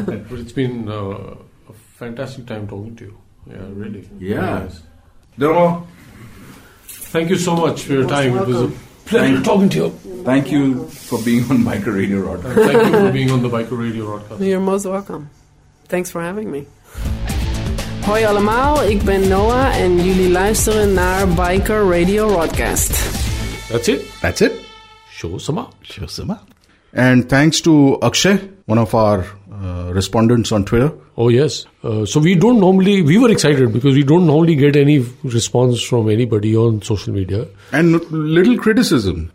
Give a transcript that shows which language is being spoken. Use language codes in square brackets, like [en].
[en] But it's been a fantastic time talking to you. Yeah, really. Yeah. Yes. Noah, thank you so much for your time. Welcome. It was a pleasure talking to you. Thank you for being on Biker Radio Rodcast. Thank you for being on the Biker Radio Rodcast. You're most welcome. Thanks for having me. [nl] Hoi allemaal, ik ben Noah and jullie luisteren naar Biker Radio Rodcast. [en] That's it. Show some up. And thanks to Akshay, one of our respondents on Twitter. Oh, yes. We were excited because we don't normally get any response from anybody on social media. And little criticism.